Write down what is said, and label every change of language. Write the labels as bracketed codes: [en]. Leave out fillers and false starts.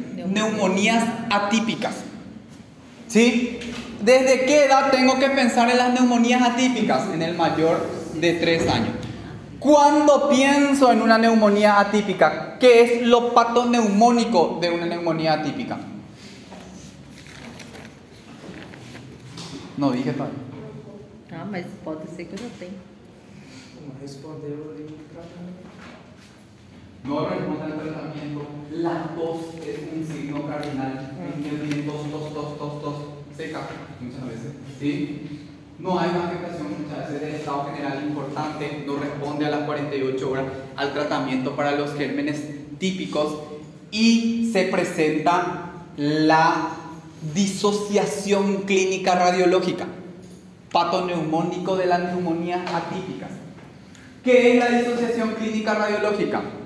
[es] Neumonías atípicas, ¿sí? ¿Desde qué edad tengo que pensar en las neumonías atípicas? En el mayor de 3 años. Cuando pienso en una neumonía atípica, ¿qué es lo patoneumónico de una neumonía atípica? No dije tal. [pt] Ah, mas pode ser que eu já tenha. Como respondeu ali o tratamento? [es] No responde al tratamiento. La tos es un signo cardinal. Entiende tos, seca, muchas veces. ¿Sí? No hay una afectación muchas veces del estado general importante, no responde a las 48 horas al tratamiento para los gérmenes típicos y se presenta la disociación clínica radiológica, patoneumónico de las neumonías atípicas. ¿Qué es la disociación clínica radiológica?